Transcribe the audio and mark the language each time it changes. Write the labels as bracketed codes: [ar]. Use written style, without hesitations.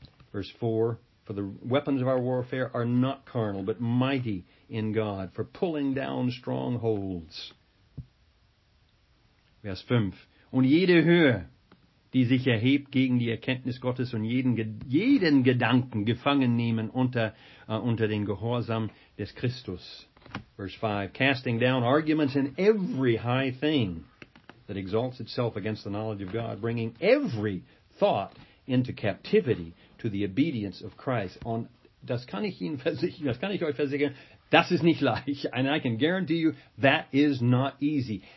[en] Verse 4, for the weapons of our warfare are not carnal, but mighty in God, for pulling down strongholds. [de] Vers 5. Und jede Höhe, die sich erhebt gegen die Erkenntnis Gottes und jeden Gedanken gefangen nehmen unter den Gehorsam des Christus. [en] Verse 5, casting down arguments and every high thing that exalts itself against the knowledge of God, bringing every thought into captivity to the obedience of Christ. [de] On das kann ich Ihnen versichern, das kann ich euch versichern, das ist nicht leicht. [en] And I can guarantee you, that is not easy.